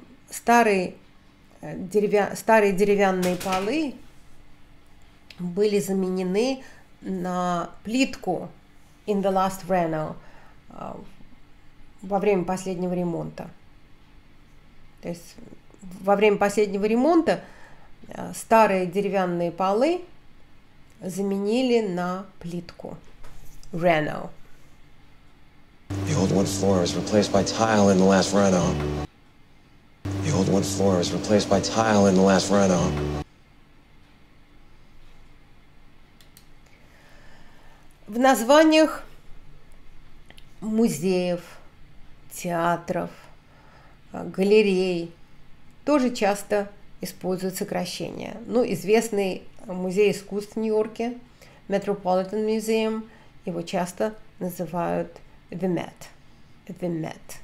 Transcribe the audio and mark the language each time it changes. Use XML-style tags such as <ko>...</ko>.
<ru>Старые деревянные полы были заменены на плитку</ru> <en>in the last reno,</en> <ru>во время последнего ремонта. То есть во время последнего ремонта старые деревянные полы заменили на плитку.</ru> <en>Reno. The old wood floor was replaced by tile in the last reno. The old wood floor was replaced by tile in the last reno.</en> <ru>В названиях музеев, театров, галерей тоже часто используют сокращения. Ну, известный музей искусств в Нью-Йорке, Metropolitan Museum, его часто называют The Met. The Met.</ru>